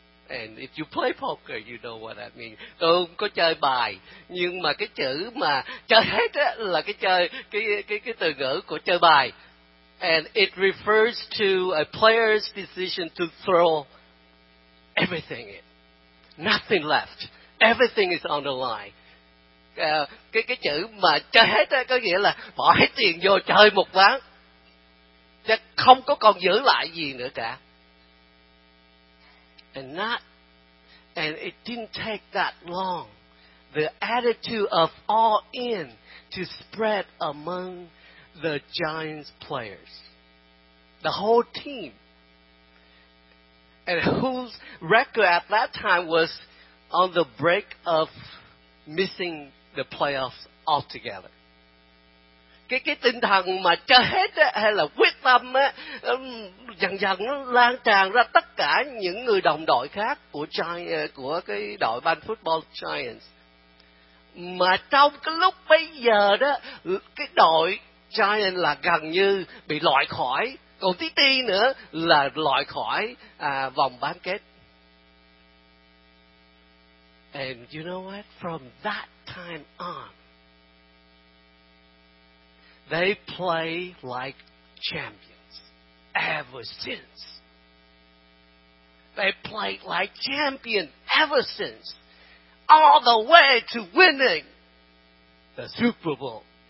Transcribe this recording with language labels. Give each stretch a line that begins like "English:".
English: And if you play poker, you know what I mean.
Vietnamese: Tôi không có chơi bài, nhưng mà cái chữ mà chơi hết á là cái chơi cái từ ngữ của chơi bài.
English: And it refers to a player's decision to throw everything in. Nothing left. Everything is on the line.
Vietnamese: Cái chữ mà chơi hết á có nghĩa là bỏ hết tiền vô chơi một ván. Chứ không có còn giữ lại gì nữa cả.
English: And it didn't take that long. The attitude of all in to spread among the Giants players. The whole team. And whose record at that time was on the brink of missing the playoffs altogether.
Vietnamese: Cái tinh thần mà chơi hết á, hay là quyết tâm á, dần dần nó lan tràn ra tất cả những người đồng đội khác của cái đội ban football Giants. Mà trong cái lúc bây giờ đó, cái đội Giants là gần như bị loại khỏi, còn tí ti nữa là loại khỏi vòng bán kết.
English: And you know what? From that time on, they play like champions ever since. They play like champions ever since. All the way to winning the Super Bowl.